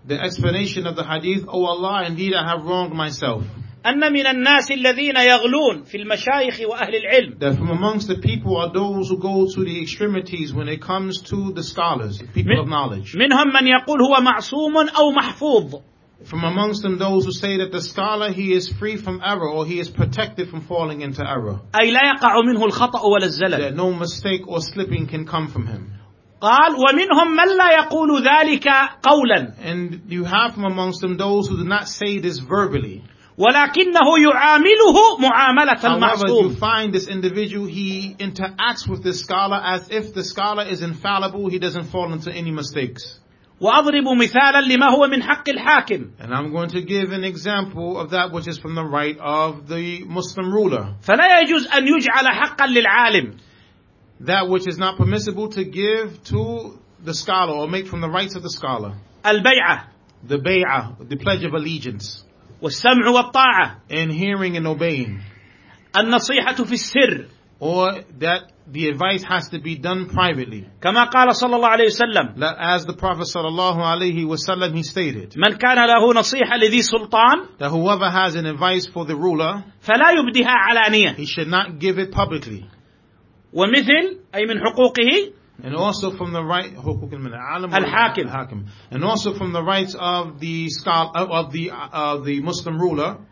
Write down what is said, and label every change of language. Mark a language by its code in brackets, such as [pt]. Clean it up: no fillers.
[en] The explanation of the hadith, O Allah, indeed I have wronged myself. [ar] أن من الناس الذين يغلون في المشايخ وأهل العلم. [en] That from amongst the people are those who go to the extremities when it comes to the scholars, people of knowledge. [ar] منهم من يقول هو معصوم أو محفوظ. [en] From amongst them those who say that the scholar he is free from error or he is protected from falling into error. [ar] أي لا يقع منه الخطأ ولا الزلل. [en] That no mistake or slipping can come from him. [ar] قال ومنهم من لا يقول ذلك قولا. [en] And you have from amongst them those who do not say this verbally. [ar] ولكنه يعامله معاملة المعصوم. [en] However, you find this individual, he interacts with the scholar as if the scholar is infallible. He doesn't fall into any mistakes. [ar] وأضرب مثالا لما هو من حق الحاكم. [en] And I'm going to give an example of that which is from the right of the Muslim ruler. [ar] فلا يجوز أن يجعل حقا للعالم. [en] That which is not permissible to give to the scholar or make from the rights of the scholar. [ar] البيعة. [en] The بيعة, the pledge of allegiance. [ar] والسمع والطاعة. [en] And hearing and obeying. [ar] النصيحة في السر. [en] Or that the advice has to be done privately. [ar] كما قال صلى الله عليه وسلم. [en] As the Prophet [ar] صلى الله عليه وسلم [en] he stated. [ar] من كان له نصيحة لذي سلطان. [en] That whoever has an advice for the ruler. [ar] فلا يبديها علانية. [en] He should not give it publicly. [ar] ومثل أي من حقوقه [en] and also from the right [ar] حقوق من العالم الحاكم [en] الحاكم and also from the rights of the scholar of the Muslim ruler